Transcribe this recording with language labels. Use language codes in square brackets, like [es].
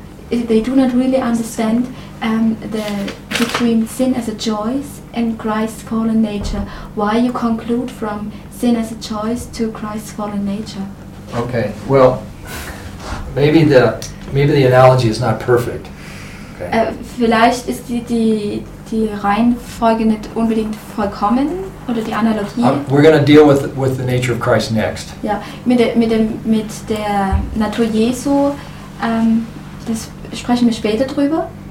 [en] They do not really understand the between sin as a choice and Christ's fallen nature. Why you conclude from sin as a choice to Christ's fallen nature? Okay, well, maybe the analogy is not perfect. Okay. [de] Vielleicht ist die Reihenfolge nicht unbedingt vollkommen oder die Analogie. [en] We're going to deal with the nature of Christ next. [de] Ja, mit der Natur Jesu, das sprechen wir später drüber.